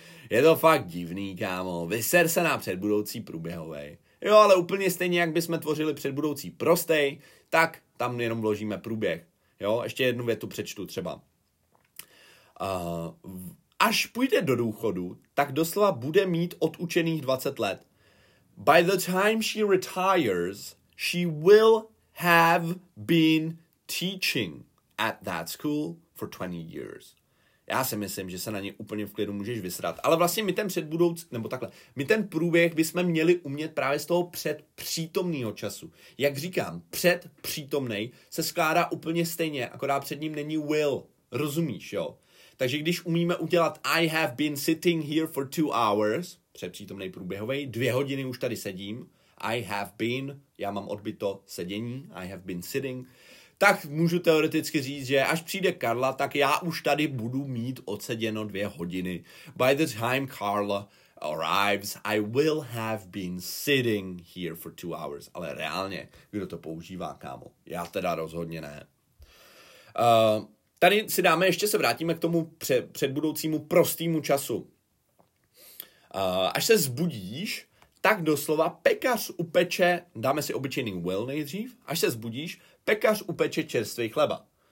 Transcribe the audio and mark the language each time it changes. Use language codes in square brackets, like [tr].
[cs] Je to fakt divný, kámo. Vyser se na předbudoucí průběhovej. Jo, ale úplně stejně, jak bychom tvořili předbudoucí prostej, tak tam jenom vložíme průběh. Jo, ještě jednu větu přečtu třeba. Až půjde do důchodu, tak doslova bude mít odučených 20 let. [en] By the time she retires, she will have been teaching at that school for 20 years. [cs] já si myslím, že se na ně úplně v klidu můžeš vysrat. Ale vlastně my ten předbudoucí, nebo takhle, my ten průběh bychom měli umět právě z toho předpřítomného času. Jak říkám, předpřítomnej se skládá úplně stejně, akorát před ním není will. Rozumíš, jo? Takže když umíme udělat [en] I have been sitting here for 2 hours, [cs] předpřítomnej průběhovej, 2 hodiny už tady sedím, [en] I have been, [cs] já mám odbyto sedění, [en] I have been sitting, [cs] tak můžu teoreticky říct, že až přijde Karla, tak já už tady budu mít odseděno 2 hodiny. [en] By the time Carla arrives, I will have been sitting here for 2 hours. [cs] Ale reálně, kdo to používá, kámo? Já teda rozhodně ne. Tady si dáme, ještě se vrátíme k tomu předbudoucímu prostému času. Až se zbudíš, tak doslova pekař upeče, dáme si obyčejný will nejdřív, až se zbudíš, pekař upeče čerstvý chleba.